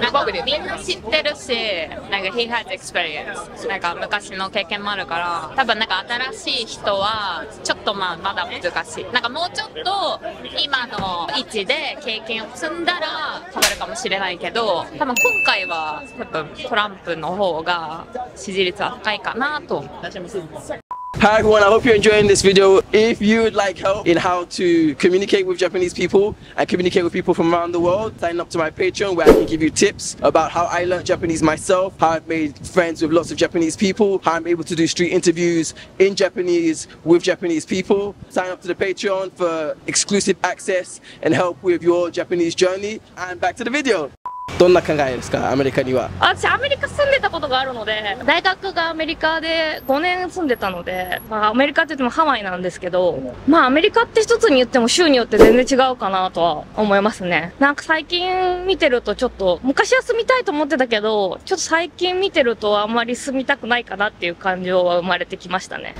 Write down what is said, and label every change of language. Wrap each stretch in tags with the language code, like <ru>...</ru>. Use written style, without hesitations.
<ja>なんかみんな知ってるし、なんか</ja> <en>He has experience、</en> <ja>なんか昔の経験もあるから、多分なんか新しい人はちょっと まだ難しい。なんかもうちょっと今の位置で経験を積んだら変わるかもしれないけど、多分今回は多分トランプの方が支持率は高いかなと。</ja> <en>Hi everyone, I hope you're enjoying this video. If you'd like help in how to communicate with Japanese people and communicate with people from around the world, sign up to my Patreon where I can give you tips about how I learned Japanese myself, how I've made friends with lots of Japanese people, how I'm able to do street interviews in Japanese with Japanese people. Sign up to the Patreon for exclusive access and help with your Japanese journey. And back to the video!</en> <ja>どんな考えですか、アメリカには？私アメリカ住んでたことがあるので、大学がアメリカで5年住んでたので、まあアメリカって言ってもハワイなんですけど、まあアメリカって一つに言っても州によって全然違うかなとは思いますね。なんか最近見てると、ちょっと昔は住みたいと思ってたけど、ちょっと最近見てるとあんまり住みたくないかなっていう感情は生まれてきましたね。</ja>